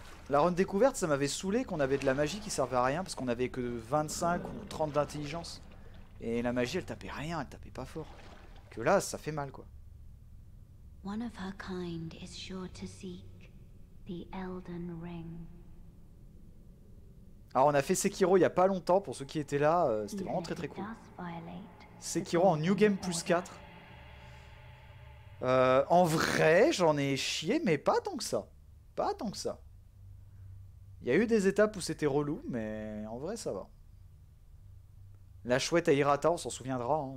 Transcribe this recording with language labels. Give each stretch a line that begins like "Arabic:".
French: La run découverte, ça m'avait saoulé qu'on avait de la magie qui servait à rien parce qu'on avait que 25 ou 30 d'intelligence. Et la magie, elle tapait rien, elle tapait pas fort. Que là, ça fait mal, quoi.
English: One of her kind is sure to seek the Elden Ring.
French: Alors on a fait Sekiro il y a pas longtemps, pour ceux qui étaient là, c'était vraiment très très cool. Sekiro en New Game plus 4. En vrai, j'en ai chié, mais pas tant que ça. Pas tant que ça. Il y a eu des étapes où c'était relou, mais en vrai ça va. La chouette à Hirata, on s'en souviendra, hein.